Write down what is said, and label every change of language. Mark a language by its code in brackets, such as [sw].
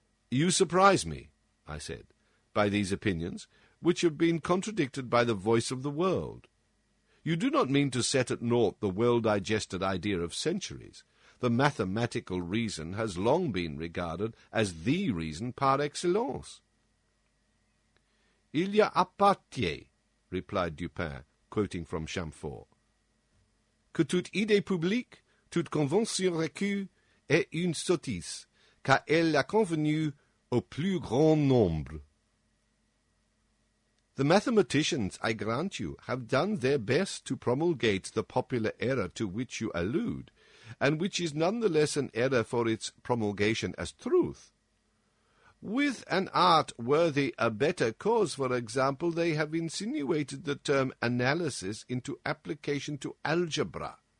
[en] "You surprise me," I said, "by these opinions, which have been contradicted by the voice of the world. You do not mean to set at naught the well-digested idea of centuries. The mathematical reason has long been regarded as the reason par excellence. [fr] Il y a à partir, [en] replied Dupin, quoting from Chamfort, [fr] que toute idée publique, toute convention reçue, est une sottise, car elle a convenu au plus grand nombre. [en] The mathematicians, I grant you, have done their best to promulgate the popular error to which you allude, and which is none the less an error for its promulgation as truth. With an art worthy a better cause, for example, they have insinuated the term analysis into application to algebra.